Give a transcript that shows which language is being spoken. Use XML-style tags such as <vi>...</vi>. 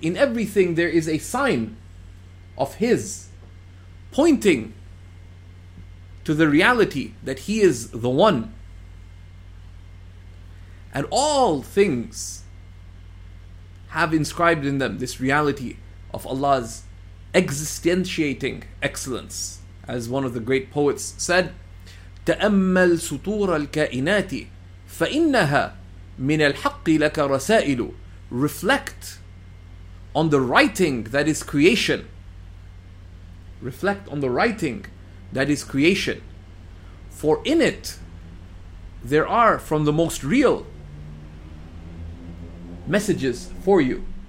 <en>In everything there is a sign of His, pointing to the reality that He is the One. And all things have inscribed in them this reality of Allah's existentiating excellence. As one of the great poets said,</en> <ar>تَأَمَّلْ سُطُورَ الْكَائِنَاتِ فَإِنَّهَا من الحق لك رسائل.</ar> <en>Reflect on the writing that is creation. Reflect on the writing that is creation. For in it, there are from the most real messages for you.</en>